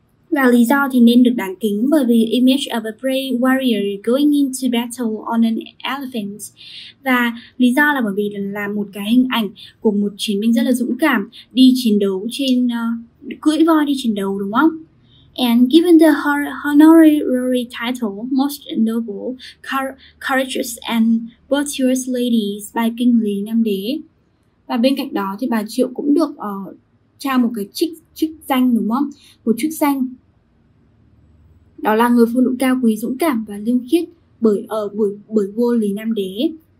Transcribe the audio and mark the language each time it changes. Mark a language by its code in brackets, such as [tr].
[vi] Và lý do thì nên được đáng kính bởi vì [en] image of a brave warrior going into battle on an elephant. [vi] Và lý do là bởi vì là một cái hình ảnh của một chiến binh rất là dũng cảm đi chiến đấu trên cưỡi voi đi chiến đấu đúng không? [en] And given the honorary title most noble, courageous and virtuous ladies by King Lý Nam Đế. [vi] Và bên cạnh đó thì bà Triệu cũng được trao một cái chức danh đúng không? Một chức danh. Đó là người phụ nữ cao quý, dũng cảm và liêm khiết bởi vua Lý Nam Đế.